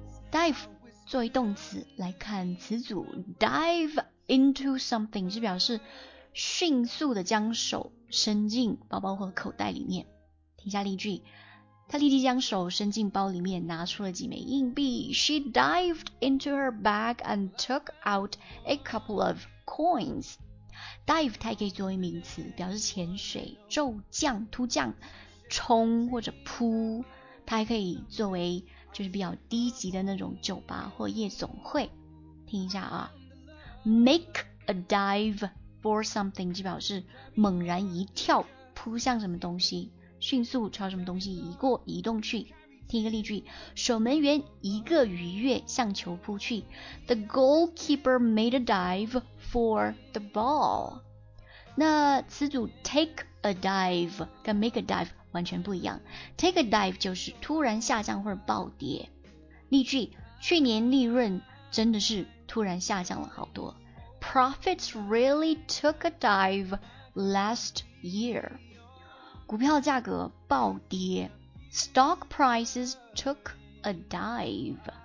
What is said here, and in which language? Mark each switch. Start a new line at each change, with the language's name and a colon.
Chinese: Dive 作为动词来看词组 ，
English: dive into something
Chinese: 是表示迅速的将手伸进包包或口袋里面。听下例句，他立即将手伸进包里面，拿出了几枚硬币。
English: She dived into her bag and took out a couple of coins.
Chinese: Dive 它也可以作为名词，表示潜水、骤降、突降。冲或者扑，它还可以作为就是比较低级的那种酒吧或夜总会。听一下啊 ，
English: make a dive for something
Chinese: 就表示猛然一跳，扑向什么东西，迅速朝什么东西移动去。听一个例句，守门员一个鱼跃向球扑去 ，
English: the goalkeeper made a dive for the ball。
Chinese: 那词组
English: take a dive
Chinese: 跟
English: make a dive。
Chinese: 完全不一样 ，
English: take a dive
Chinese: 就是突然下降或者暴跌。例句：去年利润真的是突然下降了好多 ，
English: profits really took a dive last year。
Chinese: 股票价格暴跌
English: ，stock prices took a dive。